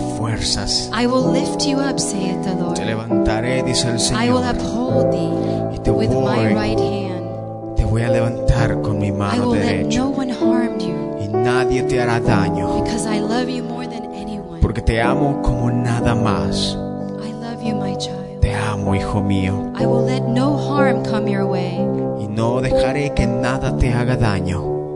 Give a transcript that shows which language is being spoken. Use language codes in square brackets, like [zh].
[en] I will lift you up, saith the Lord. [es] Te levantaré, dice el Señor. [en] I will uphold thee with my right hand. [es] Te voy a levantar con mi mano derecha. [en] I will let no one harm you. [es] Y nadie te hará daño. [en] Because I love you more than anyone. [es] Porque te amo como nada más. [en] I love you, my child. [es] Te amo, hijo mío. [en] I will let no harm come your way. [es] Y no dejaré que nada te haga daño.